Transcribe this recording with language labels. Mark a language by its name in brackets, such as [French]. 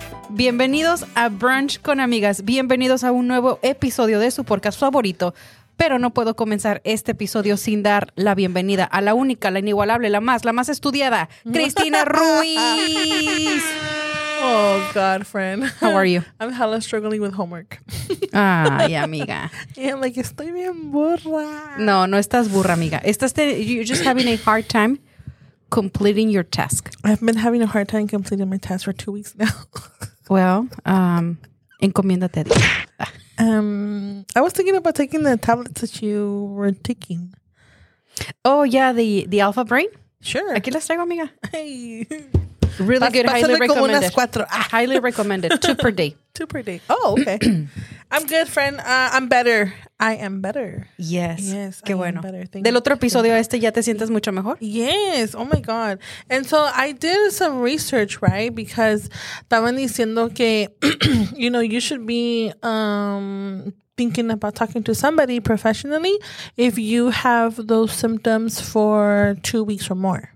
[Spanish] Bienvenidos a Brunch con Amigas. Bienvenidos a un nuevo episodio de su podcast favorito. Pero no puedo comenzar este episodio sin dar la bienvenida a la única, la inigualable, la más estudiada, Cristina Ruiz. [English] Oh, God, friend. How are you? I'm hella struggling with homework. [Spanish] Ay, amiga. [English] Yeah, I'm like, [Spanish] estoy bien burra. No estás burra, amiga. [English] You're just having a hard time completing your task. I've been having a hard time completing my task for 2 weeks now. Well, [Spanish] encomiéndate. [English] I was thinking about taking the tablets that you were taking. Oh, yeah, the Alpha Brain? Sure. [Spanish] Aquí las traigo, amiga. [English] Hey. Really good. Highly recommended. [Spanish] Como unas cuatro. [English] Ah. Highly recommended. Two per day. Two per day. Oh, okay. I'm good, friend. I am better. Yes. [Spanish] Qué bueno. [English] Better. Thank [Spanish] Del otro episodio a este, ¿ya te sientes mucho mejor? [English] Yes. Oh, my God. And so I did some research, right? Because [Spanish] estaban diciendo que, [English] you know, you should be thinking about talking to somebody professionally if you have those symptoms for 2 weeks or more.